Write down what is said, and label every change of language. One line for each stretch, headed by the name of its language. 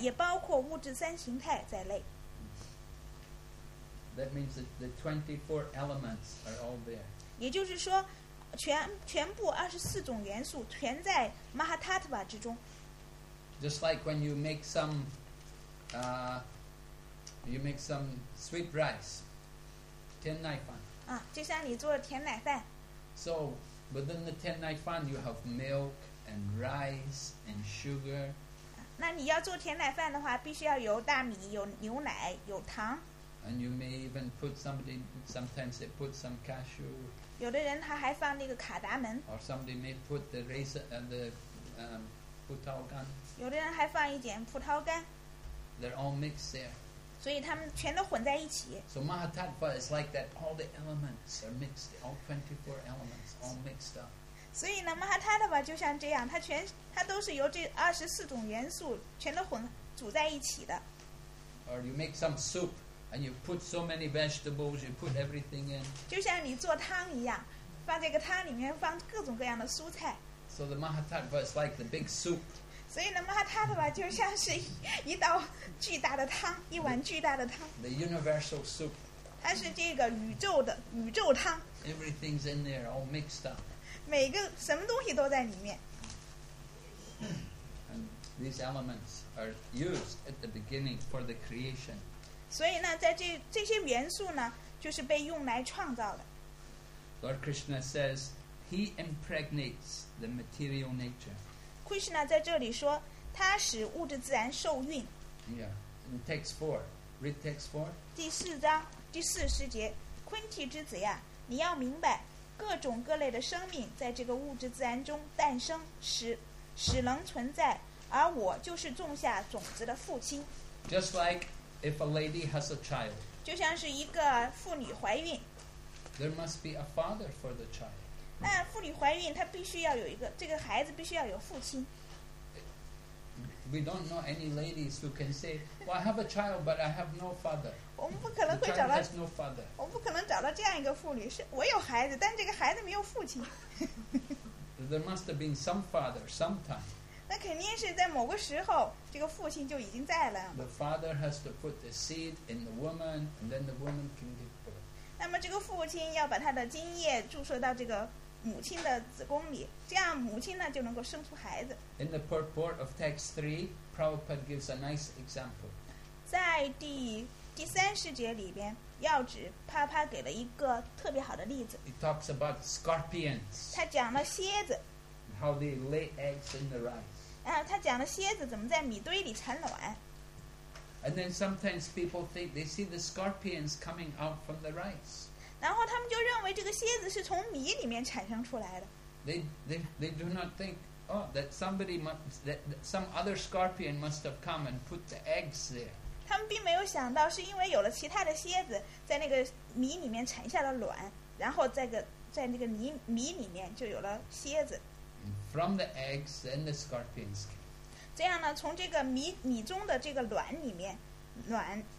Chinese: 也包括物质三形态在内。
English: That means that the 24 elements are all there。
Chinese: 也就是说，全部二十四种元素全在 Mahatattva 之中。
English: Just like when you make some sweet rice, 天奶饭。
Chinese: 就像你做的甜奶饭。
English: So within the 10 night fun, you have milk and rice and sugar.
Chinese: 那你要做甜奶饭的话，必须要有大米、有牛奶、有糖。
English: And you may even put somebody. Sometimes they put some cashew.
Chinese: 有的人他还放那个卡达门。
English: Or somebody may put the raisin and the 葡萄干。
Chinese: 有的人还放一点葡萄干。
English: They're all mixed there.
Chinese: 所以他们全都混在一起。
English: So Mahatattva is like that. All the elements are mixed. All 24 elements all mixed up.
Chinese: 所以呢 ，Mahatattva 就像这样，它都是由这二十四种元素全都混煮在一起的。
English: Or you make some soup and you put so many vegetables, you put everything in.
Chinese: 就像你做汤一样，放这个汤里面放各种各样的蔬菜。
English: So the Mahatattva is like the big soup.
Chinese: 所以呢 ，Mahatattva 就像是一道巨大的汤，一碗巨大的汤。
English: The universal soup.
Chinese: 它是这个宇宙汤。
English: Everything's in there, all mixed up.
Chinese: 每个什么东西都在里面。
English: And these elements are used at the beginning for the creation.
Chinese: 所以呢，在这些元素呢，就是被用来创造的。
English: Lord Krishna says he impregnates the material nature.
Chinese: Krishna 在这里说，他使物质自然受孕。
English: Yeah, in text four, read text four.
Chinese: 第四章第四十节，昆提之子呀，你要明白，各种各类的生命在这个物质自然中诞生，使能存在，而我就是种下种子的父亲。
English: Just like if a lady has a child.
Chinese: 就像是一个妇女怀孕。
English: There must be a father for the child.
Chinese: 那妇女怀孕，她必须要有一个，这个孩子必须要有父亲。
English: We don't know any ladies who can say, "Well, I have a child, but I have no father."
Chinese: 我们不可能会找到。
English: The child has no father.
Chinese: 我们不可能找到这样一个妇女，是我有孩子，但这个孩子没有父亲。
English: There must have been some father sometime.
Chinese: 那肯定是在某个时候，这个父亲就已经在了。
English: The father has to put the seed in the woman, and then the woman can give birth.
Chinese: 那么这个父亲要把他的精液注射到这个。母亲的子宫里，这样母亲呢就能够生出孩子。
English: In the purport of text 3, Prabhupada gives a nice example.
Chinese: 在第三十节里边，要指帕帕给了一个特别好的例子。
English: He talks about scorpions.
Chinese: 他讲了蝎子。
English: How they lay eggs in the rice.
Chinese: 他讲了蝎子怎么在米堆里产卵。
English: And then sometimes people think they see the scorpions coming out from the rice.
Chinese: 然后他们就认为这个蝎子是从米里面产生出来的。
English: They do not think, oh, that somebody must, that some other scorpion must have come and put the eggs there.
Chinese: 他们并没有想到是因为有了其他的蝎子在那个米里面产下了卵，然后在那个米里面就有了蝎子。
English: From the eggs, then the scorpions came.
Chinese: 这样呢，从这个米中的这个卵里面，卵